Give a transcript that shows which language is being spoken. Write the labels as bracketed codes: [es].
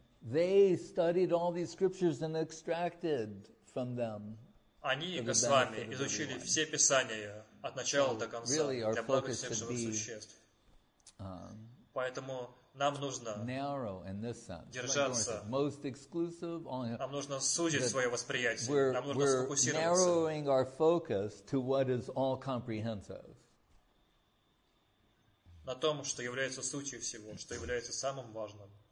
[en] They studied all these scriptures and extracted from them. [ru] Они, Госвами, изучили все писания от начала до конца для блага всех живых существ. Поэтому нам нужно держаться. Нам нужно сузить свое восприятие. Нам нужно сфокусироваться. [en] Narrowing our focus to what is all comprehensive. [ru] На том, что является сутью всего, что является самым важным.